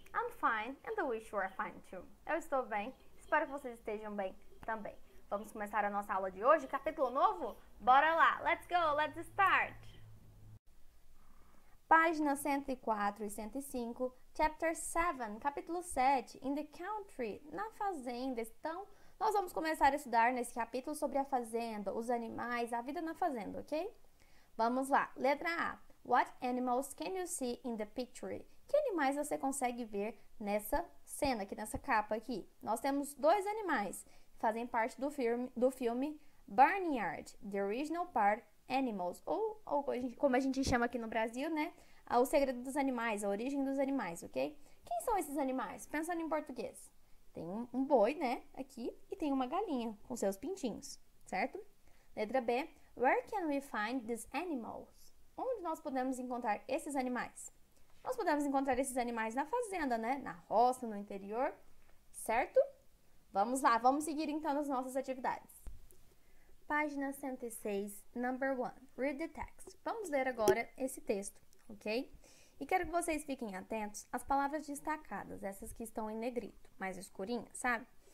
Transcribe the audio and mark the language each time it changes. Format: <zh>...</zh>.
<en>I'm fine, and I wish you were fine too.</en> <pt>Eu estou bem. Espero que vocês estejam bem também. Vamos começar a nossa aula de hoje, capítulo novo? Bora lá.</pt> <en>Let's go. Let's start.</en> <pt>Página 104 e 105, Chapter 7, capítulo 7,</pt> <en>in the country,</en> <pt>na fazenda. Então, nós vamos começar a estudar nesse capítulo sobre a fazenda, os animais, a vida na fazenda, ok? Vamos lá. Letra A.</pt> <en>What animals can you see in the picture?</en> <pt>Que animais você consegue ver nessa cena aqui, nessa capa aqui? Nós temos dois animais que fazem parte do filme Barnyard, The Original Part Animals, ou como a gente chama aqui no Brasil, né? O Segredo dos Animais, a Origem dos Animais, ok? Quem são esses animais? Pensando em português. Tem um boi, né? Aqui, e tem uma galinha com seus pintinhos, certo? Letra B.</pt> <en>Where can we find these animals?</en> <pt>Onde nós podemos encontrar esses animais? Nós podemos encontrar esses animais na fazenda, né? Na roça, no interior, certo? Vamos lá, vamos seguir então as nossas atividades. Página 106,</pt> <en>number 1. Read the text.</en> <pt>Vamos ler agora esse texto, ok? E quero que vocês fiquem atentos às palavras destacadas, essas que estão em negrito, mais escurinhas, sabe?</pt>